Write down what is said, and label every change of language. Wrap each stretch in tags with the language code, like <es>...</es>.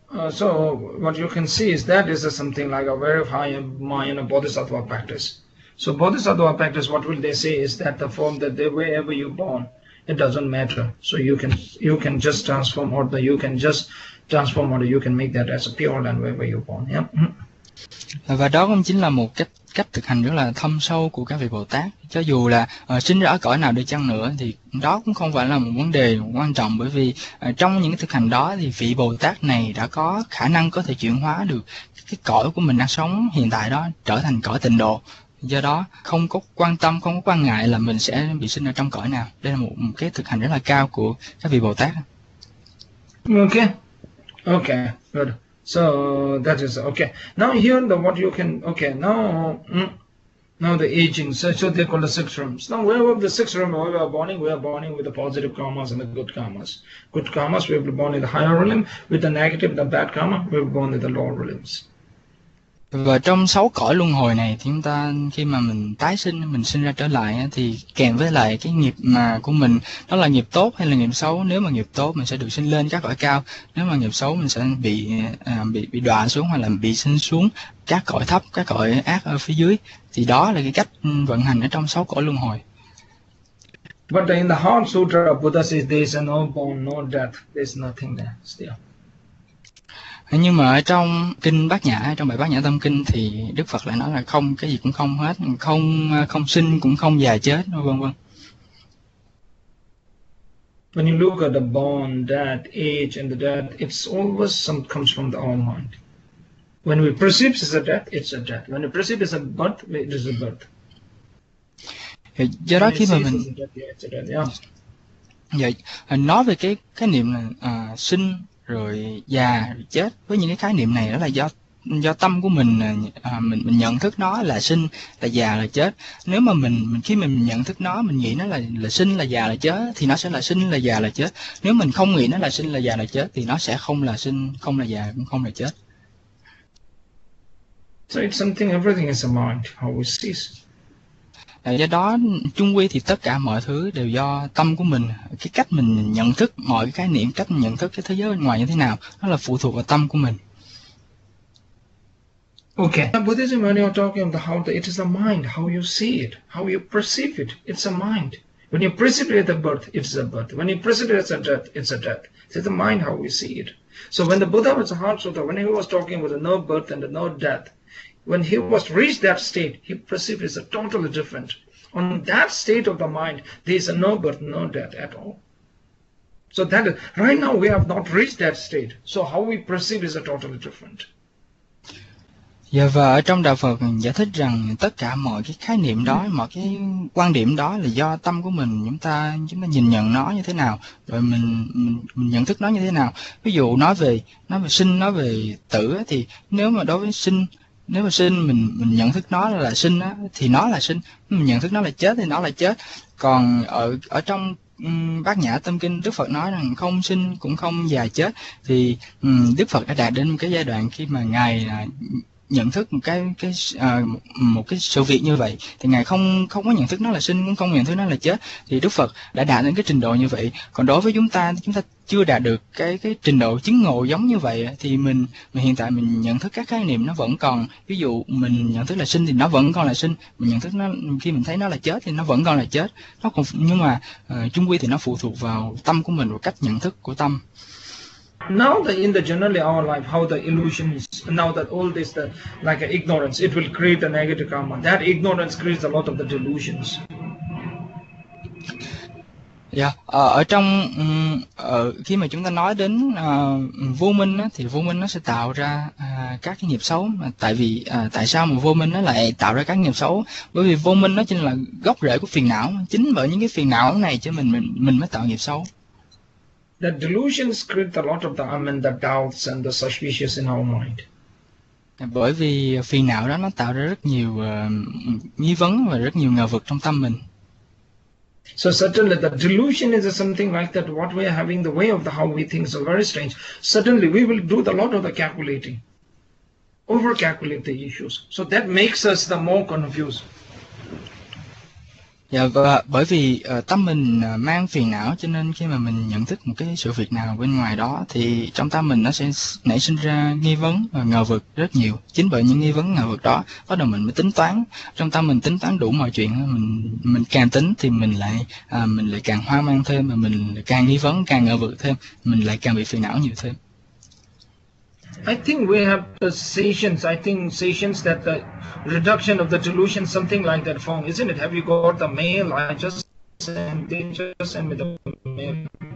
<en>So what you can see is that is something like a very high Mahayana Bodhisattva practice. So Bodhisattva practice, what will they say is that the form that they wherever you born, it doesn't matter. So you can just transform, or the you can just transform, or you can make that as a pure land wherever you born.</en> <vi>Và đó cũng chính là một cách cách thực hành rất là thâm sâu của các vị Bồ Tát. Cho dù là sinh ra ở cõi nào đi chăng nữa thì đó cũng không phải là một vấn đề quan trọng, bởi vì trong những thực hành đó thì vị Bồ Tát này đã có khả năng có thể chuyển hóa được cái cõi của mình đang sống hiện tại đó trở thành cõi tịnh độ. Do đó không có quan tâm, không có quan ngại là mình sẽ bị sinh ở trong cõi nào. Đây là một cái thực hành rất là cao của các vị Bồ Tát.</vi> <en>Okay, good. So that is okay. Now here the what you can okay now now the aging. So they call the six realms. Now where were the six realms? Where we are born with the positive karmas and the good karmas. Good karmas, we were born in the higher realm. With the negative, the bad karma, we were born in the lower realms.</en> <vi>Và trong sáu cõi luân hồi này thì chúng ta khi mà mình tái sinh, mình sinh ra trở lại thì kèm với lại cái nghiệp mà của mình, đó là nghiệp tốt hay là nghiệp xấu. Nếu mà nghiệp tốt mình sẽ được sinh lên các cõi cao, nếu mà nghiệp xấu mình sẽ bị đọa xuống, hoặc là bị sinh xuống các cõi thấp, các cõi ác ở phía dưới. Thì đó là cái cách vận hành ở trong sáu cõi luân hồi.</vi> <en>But in the Heart Sutra, Buddha says there is no born, no death, there's nothing there still.</en> <vi>Nhưng mà ở trong kinh Bát Nhã, trong bài Bát Nhã Tâm Kinh thì Đức Phật lại nói là không, cái gì cũng không hết, không không sinh cũng không già chết, vân vân.</vi> <en>When you look at the born, death, age, and the death, it's always some comes from the our mind. When we perceive it as a death, it's a death. When we perceive it as a birth, it is a birth.</en> <vi>Thì do</vi> <en>When</en> <vi>đó</vi> <en>it</en> <vi>khi mà</vi> <en>sees as a</en> <vi>mình</vi> <en>death, yeah, it's a death.</en> <vi>vậy nói về cái khái niệm là sinh rồi già rồi chết, với những cái khái niệm này đó là do tâm của mình nhận thức nó là sinh là già là chết. Nếu mà mình khi mình nhận thức nó, mình nghĩ nó là sinh là già là chết thì nó sẽ là sinh là già là chết. Nếu mình không nghĩ nó là sinh là già là chết thì nó sẽ không là sinh, không là già, cũng không là chết.</vi> <en>So it's something, everything is a mind, how we see it.</en> <vi>Do đó chung quy thì tất cả mọi thứ đều do tâm của mình, cái cách mình nhận thức mọi cái khái niệm, cách mình nhận thức cái thế giới bên ngoài như thế nào, nó là phụ thuộc vào tâm của mình.</vi> <en>Okay. Now, Buddhism, when you're talking about how it is a mind, how you see it, how you perceive it, it's a mind. When you perceive it as a birth, it's a birth. When you perceive it as a death, it's a death. It's the mind how we see it. So when the Buddha was a Heart Sutra, when he was talking about the no birth and the no death, when he was reached that state, he perceived it as a totally different. On that state of the mind, there is a no birth, no death at all. So that is, right now we have not reached that state. So how we perceive is a totally different.</en> <vi>Và ở trong Đạo Phật giải thích rằng tất cả mọi cái khái niệm đó, mọi cái quan điểm đó là do tâm của mình, chúng ta nhìn nhận nó như thế nào, rồi mình nhận thức nó như thế nào. Ví dụ nói về sinh, nói về tử, thì nếu mà đối với sinh, nếu mà sinh mình nhận thức nó là sinh á, thì nó là sinh. Mình nhận thức nó là chết thì nó là chết. Còn ở ở trong Bát Nhã Tâm Kinh, Đức Phật nói rằng không sinh cũng không già chết, thì Đức Phật đã đạt đến một cái giai đoạn khi mà ngài nhận thức một cái sự việc như vậy, thì ngài không không có nhận thức nó là sinh, cũng không nhận thức nó là chết, thì Đức Phật đã đạt đến cái trình độ như vậy. Còn đối với chúng ta chưa đạt được cái trình độ chứng ngộ giống như vậy, thì mình hiện tại mình nhận thức các khái niệm nó vẫn còn, ví dụ mình nhận thức là sinh thì nó vẫn còn là sinh, mình nhận thức nó khi mình thấy nó là chết thì nó vẫn còn là chết, nó còn, nhưng mà chung quy thì nó phụ thuộc vào tâm của mình và cách nhận thức của tâm.</vi> <en>Now the in the generally our life, how the illusions, now that all this the like ignorance, it will create a negative karma. That ignorance creates a lot of the delusions.</en> <vi>Ở trong khi mà chúng ta nói đến vô minh á, thì vô minh nó sẽ tạo ra các cái nghiệp xấu, mà tại vì tại sao mà vô minh nó lại tạo ra các nghiệp xấu? Bởi vì vô minh nó chính là gốc rễ của phiền não, chính bởi những cái phiền não này cho mình mới tạo nghiệp xấu.</vi> <en>The delusions create a lot of the the doubts and the suspicions in our mind.</en> <vi>Bởi vì phiền não đó nó tạo ra rất nhiều nghi vấn và rất nhiều ngờ vực trong tâm mình.</vi> <en>So certainly the delusion is something like that, what we are having, the way of the how we think is so very strange. Certainly we will do the lot of the calculating, over calculate the issues. So that makes us the more confused.</en> <vi>Và bởi vì tâm mình mang phiền não, cho nên khi mà mình nhận thức một cái sự việc nào bên ngoài đó thì trong tâm mình nó sẽ nảy sinh ra nghi vấn và ngờ vực rất nhiều. Chính bởi những nghi vấn ngờ vực đó bắt đầu mình mới tính toán, trong tâm mình tính toán đủ mọi chuyện, mình càng tính thì mình lại càng hoang mang thêm, mà mình lại càng nghi vấn càng ngờ vực thêm, mình lại càng bị phiền não nhiều thêm.</vi> <en>I think we have the sessions. I think sessions that the reduction of the delusion, something like that form, isn't it? Have you got the mail? I just sent, they just sent me the mail.</en>